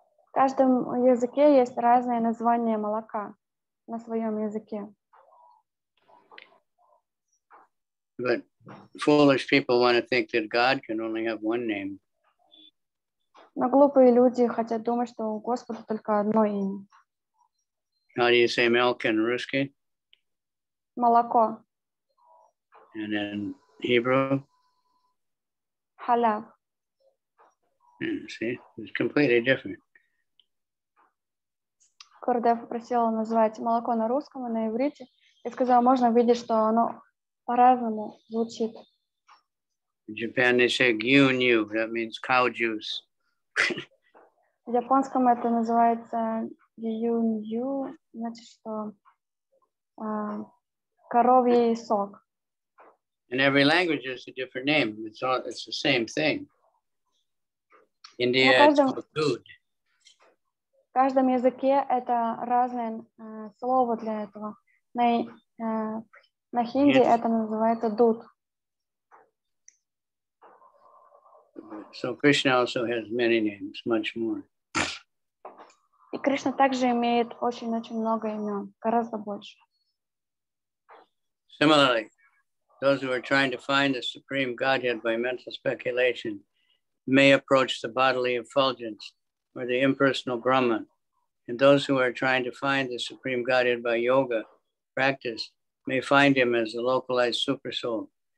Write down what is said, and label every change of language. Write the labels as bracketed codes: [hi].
[ru] В каждом языке есть разные названия молока на своем языке. [en] But foolish people want to think that God can only have one name. [ru] Но глупые люди хотят думать, что у Господа только одно имя. [en] How do you say milk in Ruski? [ru] Молоко. [en] And in Hebrew? [he] Halav. [en] See, it's completely different. [ru] Когда я попросила назвать молоко на русском и на иврите, я сказала, можно видеть, что оно по-разному звучит. [en] In Japan they say gyunyu, that means cow juice. [ru] В японском это называется gyunyu. Значит, что коровий сок. [en] In every language is a different name. It's the same thing. India, it's food. [ru] В каждом языке это разное слово для этого. На хинди yes. Это называется дуд. [en] So Krishna also has many names, much more. [ru] И Кришна также имеет очень-очень много имен, гораздо больше. [en] Similarly, those who are trying to find the Supreme Godhead by mental speculation may approach the bodily effulgence or the impersonal Brahman. And those who are trying to find the Supreme Godhead by yoga practice may find him as the localized supersoul.